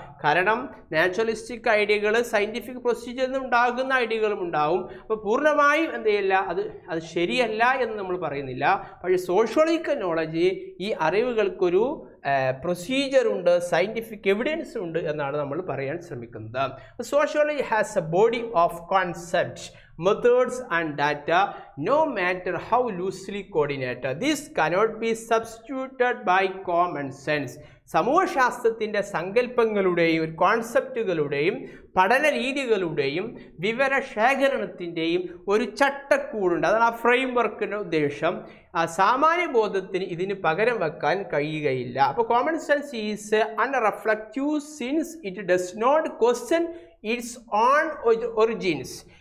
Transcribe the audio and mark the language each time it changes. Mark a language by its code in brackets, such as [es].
[ml] കാരണം naturalistic ഐഡിയകൾ scientific പ്രൊസീജിയറിൽ നിന്ന് ഉണ്ടാകുന്ന ഐഡിയകളും ഉണ്ടാവും. അപ്പോൾ പൂർണ്ണമായും എന്ത് ചെയ്യില്ല, അത് ശരിയല്ല എന്ന് നമ്മൾ പറയുന്നില്ല. പക്ഷേ സോഷ്യോളജിക്കൽ നോളജ് ഈ അറിവുകൾക്കൊരു പ്രൊസീജിയറുണ്ട്, സയൻറ്റിഫിക് എവിഡൻസ് ഉണ്ട് എന്നാണ് നമ്മൾ പറയാൻ ശ്രമിക്കുന്നത്. [en] Sociology has a body of concepts methods and data, no matter how loosely coordinated, this cannot be substituted by common sense. [ml] സമൂഹശാസ്ത്രത്തിൻ്റെ സങ്കല്പങ്ങളുടെയും ഒരു കോൺസെപ്റ്റുകളുടെയും പഠന രീതികളുടെയും വിവര ശേഖരണത്തിൻ്റെയും ഒരു ചട്ടക്കൂടുണ്ട്, അതാണ് ആ ഫ്രെയിം വർക്കിൻ്റെ ഉദ്ദേശം. സാമാന്യ ബോധത്തിന് ഇതിന് പകരം വെക്കാൻ കഴിയുകയില്ല. [en] അപ്പോൾ common sense is unreflective since it does not question its own origins.